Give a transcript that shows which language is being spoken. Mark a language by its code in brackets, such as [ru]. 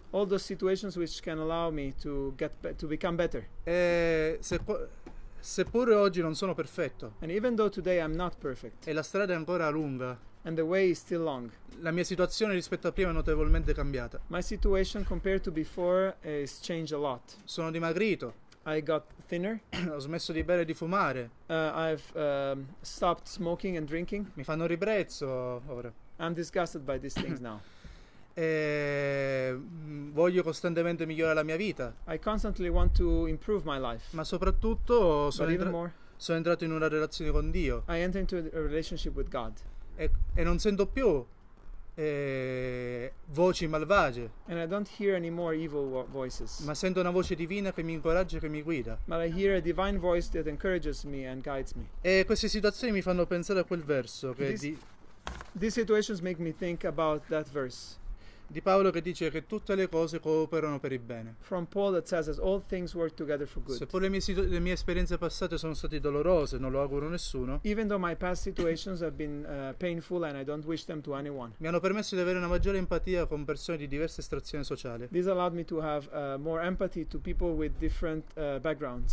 [en] All those situations which can allow me to become better. [it] E seppure oggi non sono perfetto. [en] And even though today I'm not perfect. [it] E la strada è ancora lunga. [en] And the way is still long. [it] La mia situazione rispetto a prima è notevolmente cambiata. [en] My situation compared to before has changed a lot. [it] Sono dimagrito. [en] I got thinner. [it] Ho smesso di bere e di fumare. [en] I've stopped smoking and drinking. [it] Mi fanno ribrezzo ora. [en] I'm disgusted by these things now. [it] E voglio costantemente migliorare la mia vita. [en] I constantly want to improve my life. [it] Ma soprattutto sono entrato in una relazione con Dio. [en] I entered into a relationship with God. [it] E non sento più voci malvagie. [en] And I don't hear any more evil voices. [it] Ma sento una voce divina che mi incoraggia e che mi guida. [en] But I hear a divine voice that encourages me and guides me. [it] E queste situazioni mi fanno pensare a quel verso che [en] These situations make me think about that verse. [it] Di Paolo che dice che tutte le cose cooperano per il bene. [en] From Paul that says that all things work together for good. [it] Seppure le mie esperienze passate sono state dolorose, non lo auguro a nessuno. [en] Even though my past situations have been painful and I don't wish them to anyone. [it] Mi hanno permesso di avere una maggiore empatia con persone di diverse estrazioni sociali. [en] This allowed me to have more empathy to people with different backgrounds.